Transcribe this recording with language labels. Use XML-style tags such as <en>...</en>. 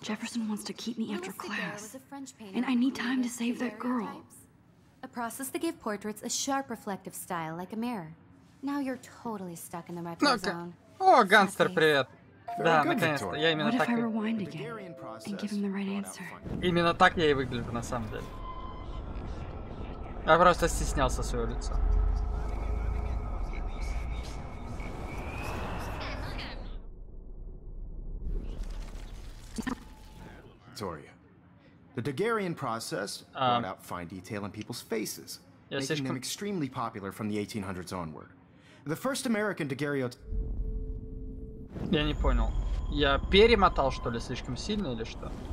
<en>Jefferson wants to keep me after class. And I need time to save that girl. A process that gave portraits a sharp reflective style like a mirror. Now you're totally stuck in the retro zone.</en> <ru>О, гангстер, привет. Да, наконец-то. Я именно так.</ru> <en>What if I rewind again and give him the right answer?</en> <ru>Именно так я и выгляжу на самом деле. Я просто стеснялся своего лица.</ru> <en>Victoria, the Daguerrean process brought out fine detail in people's faces, making them extremely popular from the 1800s onward. The first American</en> <ru>Я не понял. Я перемотал что ли слишком сильно или что?</ru>